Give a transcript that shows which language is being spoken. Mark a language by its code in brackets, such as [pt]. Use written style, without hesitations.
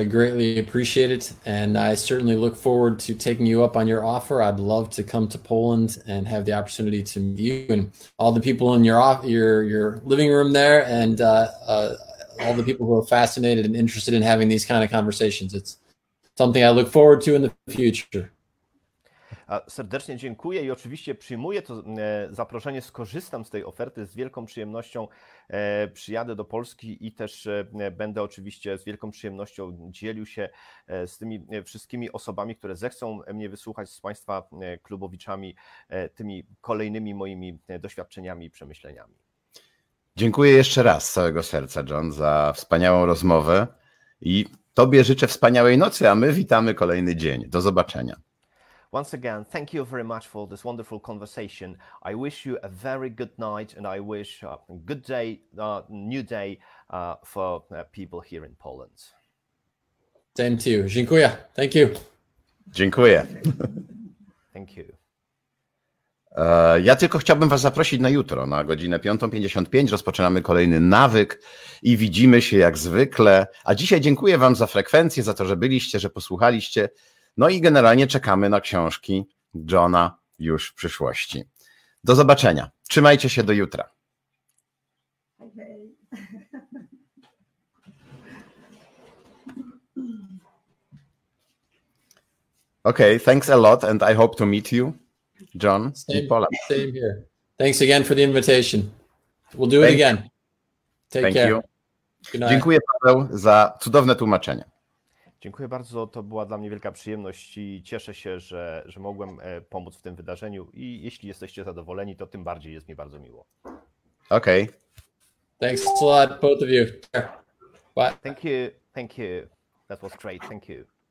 [en] I greatly appreciate it. And I certainly look forward to taking you up on your offer. I'd love to come to Poland and have the opportunity to meet you and all the people in your living room there, and all the people who are fascinated and interested in having these kind of conversations. It's something I look forward to in the future. [pl] Serdecznie dziękuję i oczywiście przyjmuję to zaproszenie, skorzystam z tej oferty, z wielką przyjemnością przyjadę do Polski i też będę oczywiście z wielką przyjemnością dzielił się z tymi wszystkimi osobami, które zechcą mnie wysłuchać, z Państwa klubowiczami, tymi kolejnymi moimi doświadczeniami i przemyśleniami. Dziękuję jeszcze raz z całego serca, John, za wspaniałą rozmowę i Tobie życzę wspaniałej nocy, a my witamy kolejny dzień. Do zobaczenia. [en] Once again, thank you very much for this wonderful conversation. I wish you a very good night and I wish a good day, a new day for people here in Poland. Same to you. [pl] Dziękuję. [en] Thank you. [pl] Dziękuję. [en] Thank you. [pl] Ja tylko chciałbym Was zaprosić na jutro, na godzinę 5:55. Rozpoczynamy kolejny nawyk i widzimy się jak zwykle. A dzisiaj dziękuję Wam za frekwencję, za to, że byliście, że posłuchaliście. No i generalnie czekamy na książki Johna już w przyszłości. Do zobaczenia. Trzymajcie się, do jutra. [en] Okay, thanks a lot and I hope to meet you, John. Same here. Thanks again for the invitation. We'll do it again. Take care. [pl] Dziękuję Paweł za cudowne tłumaczenie. Dziękuję bardzo, to była dla mnie wielka przyjemność i cieszę się, że mogłem pomóc w tym wydarzeniu i jeśli jesteście zadowoleni, to tym bardziej jest mi bardzo miło. [en] Okay. Thanks a lot, both of you. Bye. Thank you. That was great. Thank you.